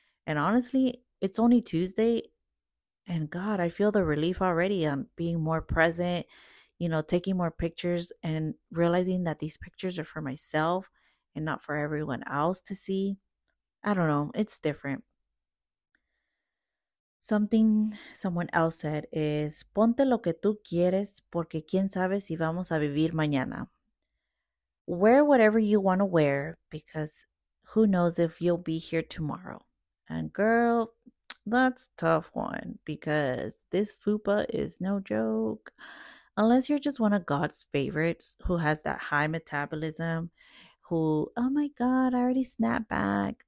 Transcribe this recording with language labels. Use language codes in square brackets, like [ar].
[en] And honestly, it's only Tuesday. And God, I feel the relief already on being more present, you know, taking more pictures and realizing that these pictures are for myself and not for everyone else to see. I don't know, it's different. Something someone else said is, [es] ponte lo que tú quieres porque quién sabe si vamos a vivir mañana. [en] Wear whatever you want to wear because who knows if you'll be here tomorrow. And girl, that's a tough one because this fupa is no joke. Unless you're just one of God's favorites who has that high metabolism, who, oh my God, I already snapped back.